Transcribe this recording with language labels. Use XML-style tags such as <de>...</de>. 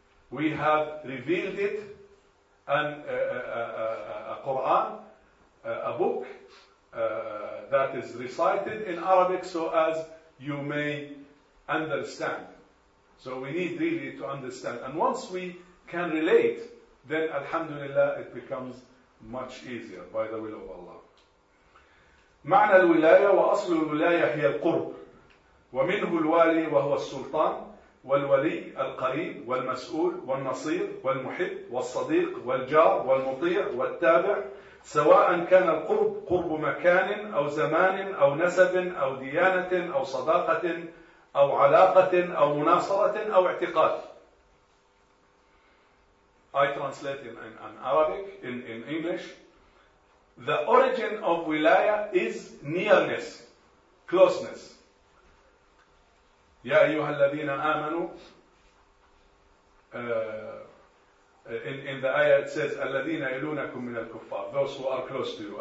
<en>We have revealed it, and a Qur'an, a book that is recited in Arabic so as you may understand. So we need really to understand. And once we can relate, then alhamdulillah, it becomes much easier by the will of Allah.</en> <ar>معنى الولاية وأصل الولاية هي القرب ومنه الوالي وهو السلطان والولي القريب والمسؤول والنصير والمحب والصديق والجار والمطيع والتابع سواء كان القرب قرب مكان أو زمان أو نسب أو ديانة أو صداقة أو علاقة أو مناصرة أو اعتقاد.</ar> <en>I translate in Arabic, in English. The origin of wilaya is nearness, closeness.</en> <ar>يَا أَيُّهَا الَّذِينَ آمَنُوا</ar> <en>in the ayah it says,</en> <ar>الَّذِينَ يَلُونَكُمْ مِنَ الْكُفَّارِ,</ar> <en>those who are close to you.</en>